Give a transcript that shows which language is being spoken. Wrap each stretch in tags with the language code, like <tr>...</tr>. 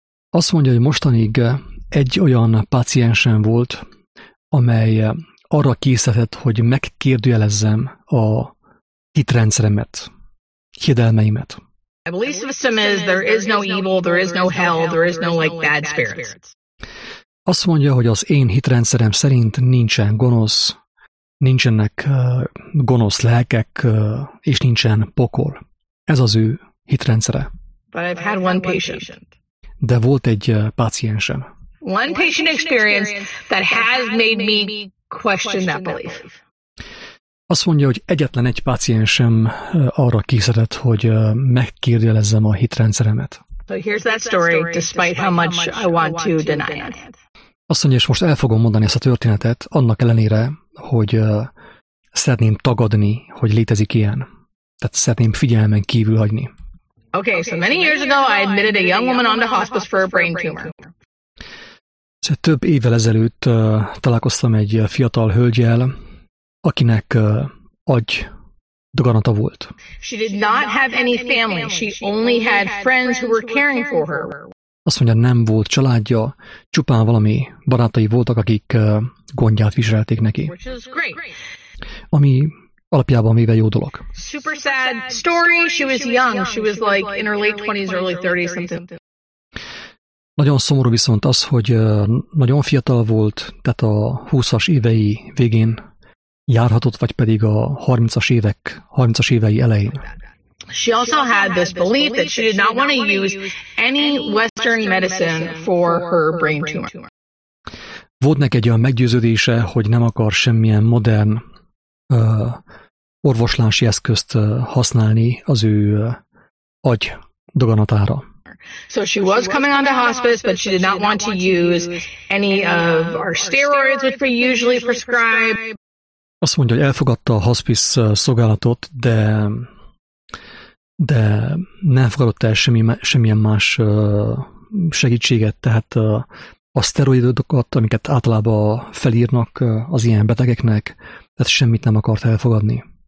<hu>Azt mondja, hogy mostanig egy olyan páciensem volt, amely arra készített, hogy megkérdőjelezzem a hitrendszeremet, hiedelmeimet.</hu> <en>A belief system is there is no evil, there is no hell, there is no like bad spirits.</en> <hu>Azt mondja, hogy az én hitrendszerem szerint nincsen gonosz, nincsenek gonosz lelkek, és nincsen pokol. Ez az ő hitrendszere.</hu> <en>But I've had one patient.</en> <hu>De volt egy páciensem.</hu> <en>One patient experience that has made me question that belief.</en> <hu>Azt mondja, hogy egyetlen egy páciensem arra készített, hogy megkérdőjelezzem a hitrendszeremet.</hu> <en>So here's that story, despite how much I want to deny it.</en> <hu>Azt mondja, és most el fogom mondani ezt a történetet, annak ellenére, hogy szeretném tagadni, hogy létezik ilyen. Tehát szeretném figyelmen kívül hagyni.</hu> <en>Okay, so many years ago I admitted a young woman onto hospice for a brain tumor.</en> <hu>Több évvel ezelőtt találkoztam egy fiatal hölgyel, akinek agy daganata volt.</hu> <en>She did not have any family. She only had friends who were caring for her.</en> <hu>Azt mondja, nem volt családja, csupán valami barátai voltak, akik gondját viselték neki. Ami alapjában véve jó dolog.</hu> <en>Super sad story. She was young. She was like in her late 20s, early 30s, something.</en> <hu>Nagyon szomorú viszont az, hogy nagyon fiatal volt, tehát a 20-as évei végén járhatott, vagy pedig a 30-as évei elején.</hu> <en>She also had this belief that she did not want to use any Western medicine for her brain tumor.</en> <hu>Volt neki egy olyan meggyőződése, hogy nem akar semmilyen modern orvoslási eszközt használni az ő agy daganatára.</hu> <en>So she was coming onto hospice, but she did not want to use any of our steroids, which we usually prescribe.</en> <hu>Azt mondja, hogy elfogadta a hospice szolgálatot, de nem fogadott el semmilyen más segítséget, tehát a szteroidokat, amiket általában felírnak az ilyen betegeknek, tehát semmit nem akart elfogadni.</hu>